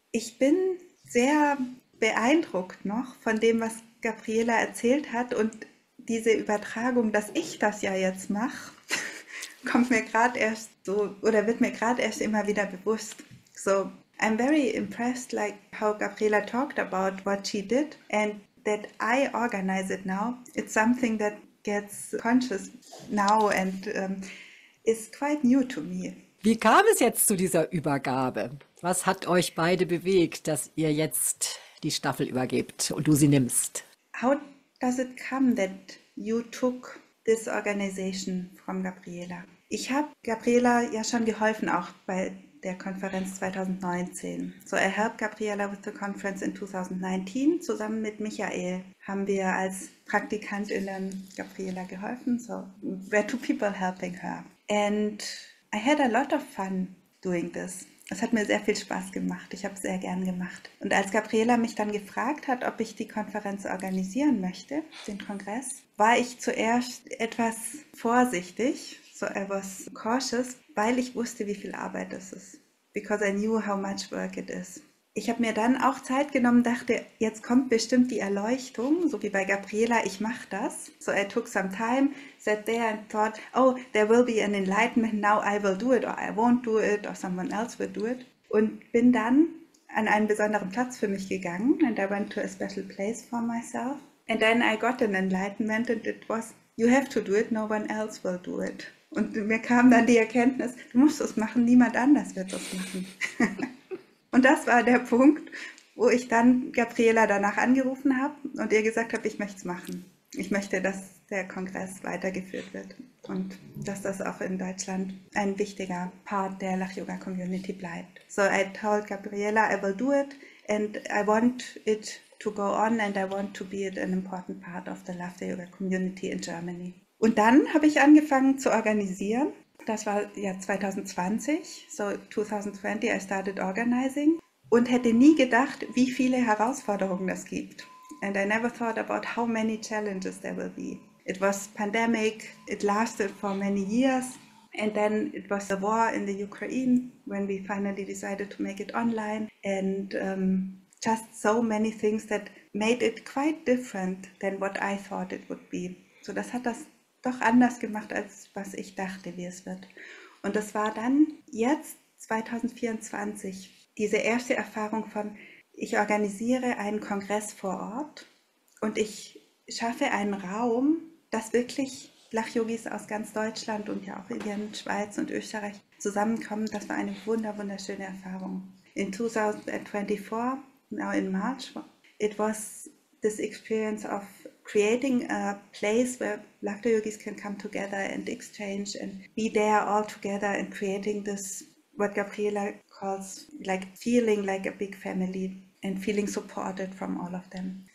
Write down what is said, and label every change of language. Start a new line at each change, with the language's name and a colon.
German: Ich bin sehr beeindruckt noch von dem, was Gabriela erzählt hat. Und diese Übertragung, dass ich das ja jetzt mache, kommt mir gerade erst so, oder wird mir gerade erst immer wieder bewusst.
English: So, I'm very impressed, like how Gabriela talked about what she did and that I organize it now. It's something that gets conscious now and is quite new to me.
German: Wie kam es jetzt zu dieser Übergabe? Was hat euch beide bewegt, dass ihr jetzt die Staffel übergebt und du sie nimmst?
English: How does it come that you took this organization from Gabriela?
German: Ich habe Gabriela ja schon geholfen, auch bei der Konferenz 2019.
English: So I helped Gabriela with the conference in 2019.
German: Zusammen mit Michael haben wir als Praktikantinnen Gabriela geholfen.
English: So we're two people helping her. And I had a lot of fun doing this.
German: Es hat mir sehr viel Spaß gemacht. Ich habe es sehr gern gemacht. Und als Gabriela mich dann gefragt hat, ob ich die Konferenz organisieren möchte, den Kongress, war ich zuerst etwas vorsichtig.
English: So I was cautious,
German: weil ich wusste, wie viel Arbeit das ist.
English: Because I knew how much work it is.
German: Ich habe mir dann auch Zeit genommen, dachte, jetzt kommt bestimmt die Erleuchtung, so wie bei Gabriela, ich mache das.
English: So I took some time, sat there and thought, oh, there will be an enlightenment, now I will do it or I won't do it or someone else will do it.
German: Und bin dann an einen besonderen Platz für mich gegangen
English: and I went to a special place for myself. And then I got an enlightenment and it was, you have to do it, no one else will do it.
German: Und mir kam dann die Erkenntnis, du musst es machen, niemand anders wird es machen. Und das war der Punkt, wo ich dann Gabriela danach angerufen habe und ihr gesagt habe, ich möchte es machen. Ich möchte, dass der Kongress weitergeführt wird und dass das auch in Deutschland ein wichtiger Part der Lach-Yoga-Community bleibt.
English: So I told Gabriela, I will do it and I want it to go on and I want to be it an important part of the Lach-Yoga-Community in Germany.
German: Und dann habe ich angefangen zu organisieren. Das war ja 2020, so 2020
English: I started organizing
German: und hätte nie gedacht, wie viele Herausforderungen das gibt.
English: And I never thought about how many challenges there will be. It was pandemic, it lasted for many years and then it was the war in the Ukraine when we finally decided to make it online and just so many things that made it quite different than what I thought it would be.
German: So das hat das doch anders gemacht, als was ich dachte, wie es wird. Und das war dann jetzt 2024 diese erste Erfahrung von, ich organisiere einen Kongress vor Ort und ich schaffe einen Raum, dass wirklich Lach-Yogis aus ganz Deutschland und ja auch Indien, Schweiz und Österreich zusammenkommen. Das war eine wunderschöne Erfahrung.
English: In 2024, now in March, it was this experience of creating a place where Lach-Yogis can come together and exchange and be there all together and creating this, what Gabriela calls, like feeling like a big family and feeling supported from all of them.